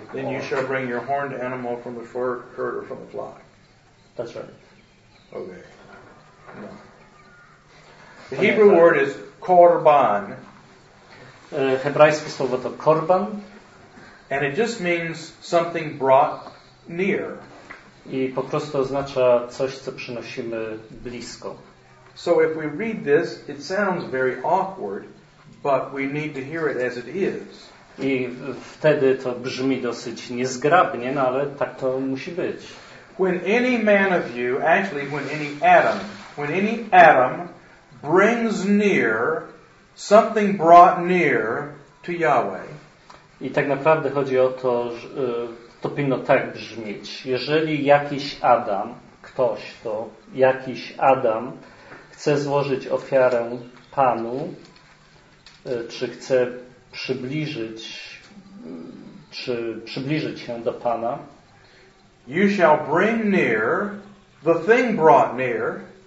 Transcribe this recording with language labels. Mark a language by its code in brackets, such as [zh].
[en] Then you shall bring your horned animal from the fur, herd or from the flock. That's right. Okay. No. The Hebrew word is korban. [pl] Hebrajskie słowo to korban. [en] And it just means something brought near. [pl] I po prostu oznacza coś, co przynosimy blisko. [en] So if we read this, it sounds very awkward, but we need to hear it as it is. [pl] I wtedy to brzmi dosyć niezgrabnie, no ale tak to musi być. [en] When any man of you, actually when any Adam brings near something brought near to Yahweh. [pl] I tak naprawdę chodzi o to, że to powinno tak brzmieć. Jeżeli jakiś Adam, ktoś to, jakiś Adam chce złożyć ofiarę Panu, czy chce przybliżyć, czy przybliżyć się do Pana, [en] you shall bring near the thing brought near.